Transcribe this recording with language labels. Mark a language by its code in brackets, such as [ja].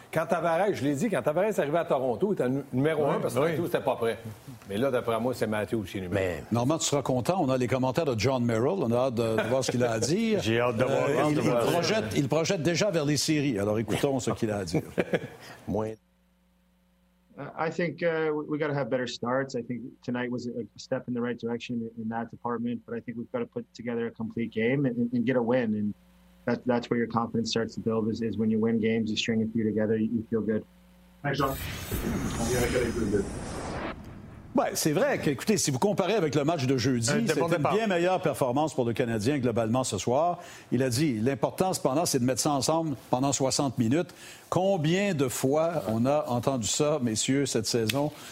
[fr] Quand Tavares est arrivé à Toronto, il était numéro un parce que Toronto n'était pas prêt. Mais là, d'après moi, c'est Matthews qui est numéro un. Normand, tu seras content. On a les commentaires de John Merrill. On a hâte de voir ce qu'il a à dire. J'ai hâte de voir. Il projette déjà vers les séries. Alors écoutons ce qu'il a à dire. Moins. [en] I think we got to have better starts. I think tonight was a step in the right direction in that department, but I think we've got to put together a complete game and get a win. And that's where your confidence starts to build is when you win games, you string a few together, you feel good. Thanks, John. Yeah, I got it. Good. [fr] Ouais, c'est vrai. Écoutez, si vous comparez avec le match de jeudi, c'était une bien meilleure performance pour le Canadien globalement ce soir. Il a dit, l'important cependant, c'est de mettre ça ensemble pendant 60 minutes. Combien de fois on a entendu ça, messieurs, cette saison?